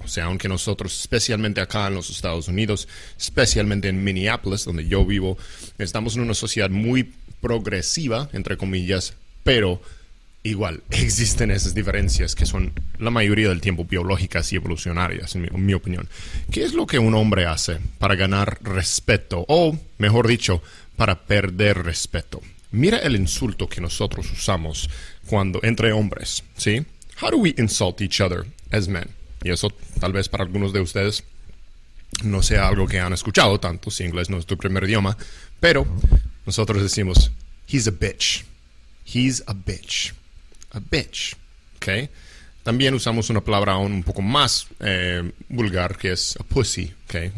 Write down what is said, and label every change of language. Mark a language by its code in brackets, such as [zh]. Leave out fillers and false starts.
[es] O sea, aunque nosotros, especialmente acá en los Estados Unidos, especialmente en Minneapolis, donde yo vivo, estamos en una sociedad muy progresiva, entre comillas, pero igual existen esas diferencias que son la mayoría del tiempo biológicas y evolucionarias, en mi opinión. ¿Qué es lo que un hombre hace para ganar respeto? O, mejor dicho, para perder respeto. Mira el insulto que nosotros usamos cuando entre hombres, ¿sí? [en] How do we insult each other as men? [es] Y eso tal vez para algunos de ustedes no sea algo que han escuchado tanto, si inglés no es tu primer idioma, pero nosotros decimos, [en] he's a bitch. He's a bitch. A bitch. [es] ¿Ok? También usamos una palabra aún un poco más vulgar, que es a pussy, ¿ok?